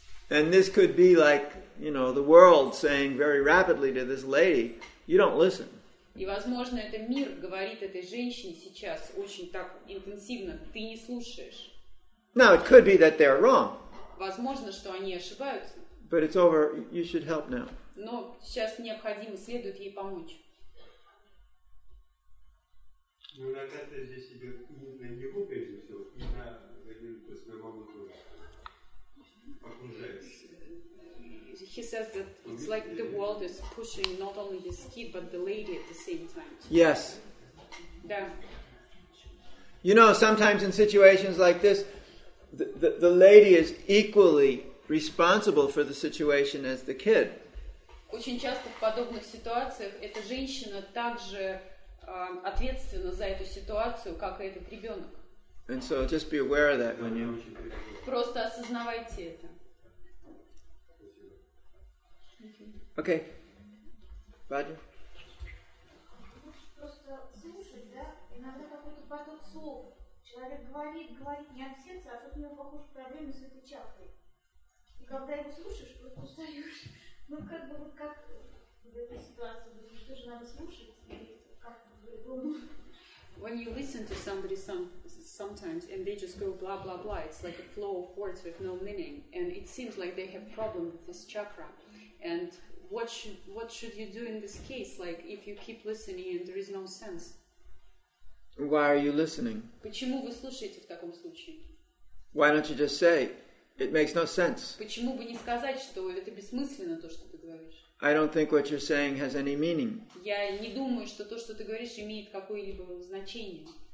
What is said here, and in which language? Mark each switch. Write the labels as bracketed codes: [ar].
[en] And this could be like, you know, the world saying very rapidly to this lady, you don't listen. [ru] И, возможно, это мир говорит этой женщине сейчас очень так интенсивно, ты не слушаешь. [en] Now, it could be that they're wrong. [ru] Возможно, что они ошибаются. [en] But it's over. You should help now. [ru] Но сейчас необходимо, следует ей помочь. Ну, наверное, здесь идет не на него, прежде всего, не на своего окружающего. [en] He says that it's like the world is pushing not only his kid, but the lady at the same time. Yes. [ru] Да. [en] You know, sometimes in situations like this, the lady is equally responsible for the situation as the kid. [ru] Очень часто в подобных ситуациях эта женщина также ответственна за эту ситуацию, как и этот ребенок. [en] And so just be aware of that when you... [ru] Просто осознавайте это. [en] Okay. Roger. [ru] Просто слушать, да? Иногда какой-то поток слов. Человек говорит не от сердца, а тут у него, похоже, проблемы с этой чакрой. И когда его слушаешь, просто устаешь. Ну, как бы, вот как в этой ситуации? Ну, что же надо слушать? И как по-другому? [en] When you listen to somebody sometimes and they just go blah, blah, blah, it's like a flow of words with no meaning. And it seems like they have problem with this chakra. And what should you do in this case? Like, if you keep listening and there is no sense? Why are you listening? [ru] Почему вы слушаете в таком случае? [en] Why don't you just say, it makes no sense? [ru] Почему бы не сказать, что это бессмысленно, то, что ты говоришь? [en] I don't think what you're saying has any meaning. [ru] Я не думаю, что то, что ты говоришь, имеет какое-либо значение.